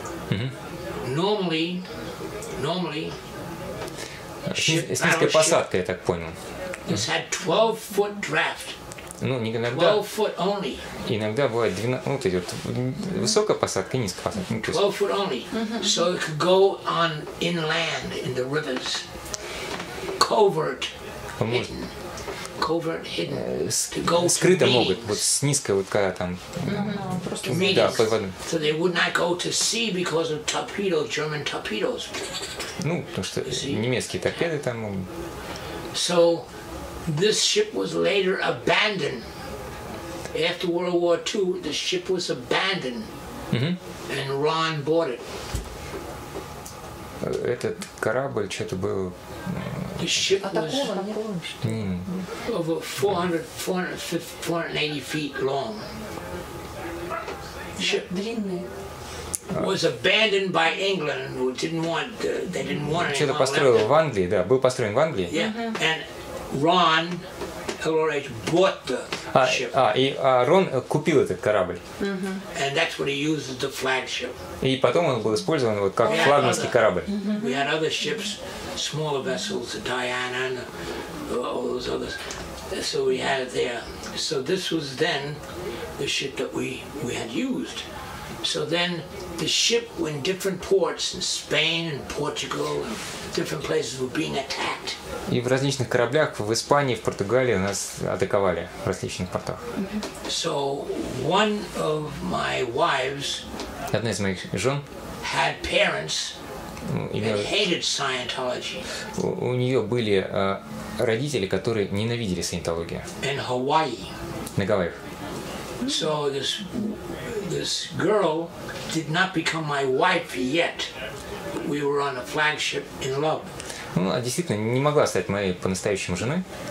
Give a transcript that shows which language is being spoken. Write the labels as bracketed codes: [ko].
[en] Mm-hmm. Normally, This had 12-foot draft. [ru] Ну, не иногда. [en] 12-foot only. [ru] Иногда бывает 12, ну, вот идет высокая посадка и низкая посадка. [en] 12-foot only. Mm-hmm. So it could go on inland, in the rivers. Covert. Hidden. Covert, hidden. [ru] Скрыто могут, вот с низкой, вот когда там. Да, под водой. [en] So they would not go to sea because of torpedoes, German torpedoes. [ru] Ну, потому что немецкие торпеды там. [en] So this ship was later abandoned. After World War II, the ship was abandoned. Mm-hmm. And Ron bought it. [ru] Этот корабль что-то был. [en] The ship was over 480 feet long. Ship was abandoned by England, who didn't want they didn't want it. [ru] Что-то построил в Англии, да, был построен в Англии. Yeah. Mm-hmm. [en] And Ron, L-R-H, bought the ship. [ru] Рон купил этот корабль. Mm-hmm. [en] And that's what he used as the flagship. [ru] И потом он был использован вот как флагманский корабль. [en] Mm-hmm. We had other ships, smaller vessels, the Diana and all those others. So we had it there. So this was then the ship that we had used. So then the ship went different ports in Spain and Portugal and different places were being attacked. [ru] И в различных кораблях в Испании, в Португалии нас атаковали в различных портах. [en] So one of my wives, [ru] одна из моих жен, [en] had parents that hated Scientology. [ru] У нее были родители, которые ненавидели саентологию. [en] In Hawaii. [ru] На Гавайях. [en] So this girl did not become my wife yet. We were on a flagship in love. [ru] Ну, она действительно не могла стать моей по-настоящему женой.